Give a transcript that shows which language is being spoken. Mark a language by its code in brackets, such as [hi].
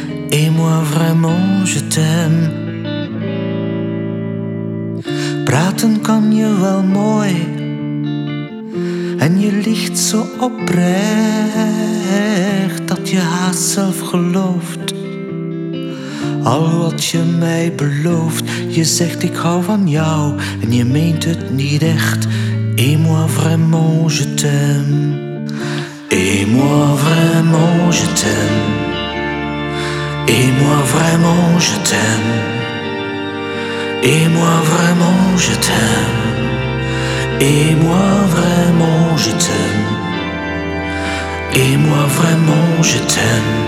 [fr] Et moi vraiment je t'aime. [nl] Praten kan je wel mooi en je ligt zo oprecht dat je haast zelf gelooft al wat je mij belooft. Je zegt ik hou van jou en je meent het niet echt. [fr] Et moi vraiment je t'aime. Et moi vraiment je t'aime. Et moi vraiment je t'aime. Et moi vraiment je t'aime. Et moi vraiment je t'aime. Et moi vraiment je t'aime.